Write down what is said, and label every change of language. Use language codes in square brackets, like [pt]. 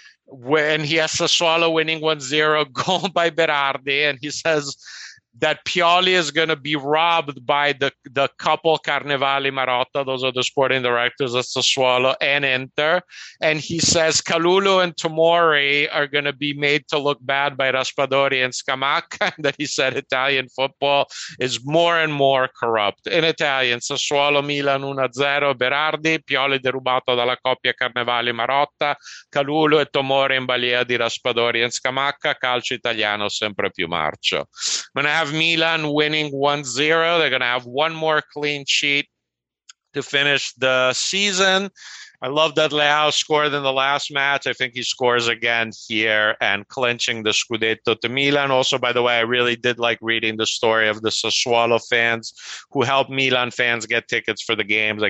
[en] When he has Sassuolo winning 1-0, goal by Berardi, and he says that Pioli is going to be robbed by the couple Carnevali Marotta, those are the sporting directors of Sassuolo and Inter. And he says Kalulu and Tomori are going to be made to look bad by Raspadori and Scamacca. And then he said Italian football is more and more corrupt. In Italian, [it] Sassuolo Milan 1-0, Berardi, Pioli derubato dalla coppia Carnevali Marotta, Kalulu e Tomori in balia di Raspadori and Scamacca, calcio italiano sempre più marcio. [en] Have Milan winning 1-0. They're going to have one more clean sheet to finish the season. I love that Leao scored in the last match. I think he scores again here and clinching the Scudetto to Milan. Also, by the way, I really did like reading the story of the Sassuolo fans who helped Milan fans get tickets for the games.